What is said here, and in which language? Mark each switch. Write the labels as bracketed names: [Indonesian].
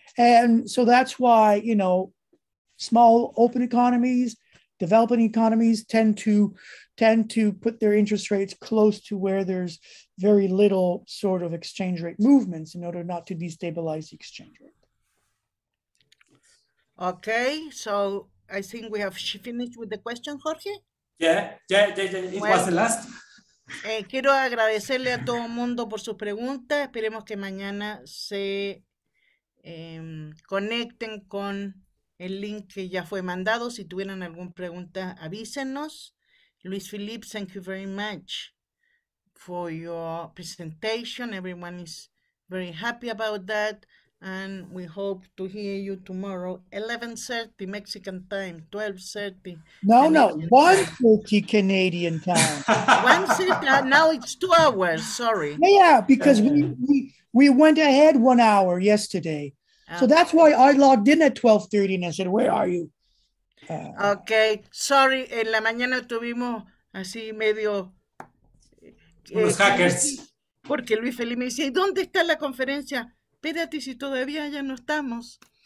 [English] And so that's why, you know, small open economies, developing economies tend to put their interest rates close to where there's very little sort of exchange rate movements in order not to destabilize the exchange rate. Okay, so I think we have finished with the question, Jorge. Yeah. It was the last. [Spanish] Quiero agradecerle a todo mundo por sus preguntas. Esperemos que mañana se conecten con el link que ya fue mandado. Si tuvieran alguna pregunta, avísenos. [English] Luis Philippe, thank you very much for your presentation. Everyone is very happy about that. And we hope to hear you tomorrow, 11:30 Mexican time, 12:30. No, 1:30 Canadian time. 1:30, now it's 2 hours, sorry. Yeah, because we went ahead 1 hour yesterday. So that's why I logged in at 12:30 and I said, where are you? Okay, sorry, [Spanish] en la mañana tuvimos así medio... unos hackers. Porque Luis Felipe me dice, ¿y dónde está la conferencia? Espérate, si todavía ya no estamos.